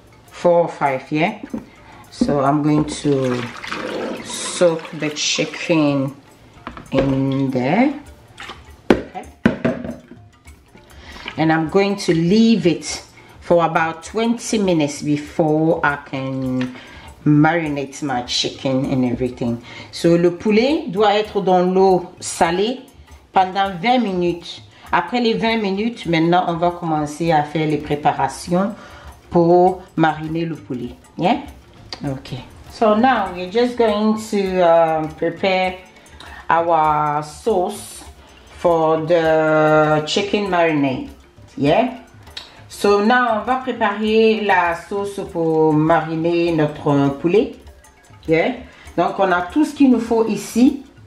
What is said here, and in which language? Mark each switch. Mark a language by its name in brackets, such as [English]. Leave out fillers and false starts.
[English] 4 or 5, yeah? So I'm going to soak the chicken in there. And I'm going to leave it for about 20 minutes before I can marinate my chicken and everything. [French] So le poulet doit être dans l'eau salée pendant 20 minutes. Après les 20 minutes, maintenant on va commencer à faire les préparations pour mariner le poulet. [English] Yeah? Okay. So now we're just going to prepare our sauce for the chicken marinade. Yeah. So now [French] on va préparer la sauce pour mariner notre poulet. [English] Yeah. [French] Donc on a tout ce qu'il nous faut ici.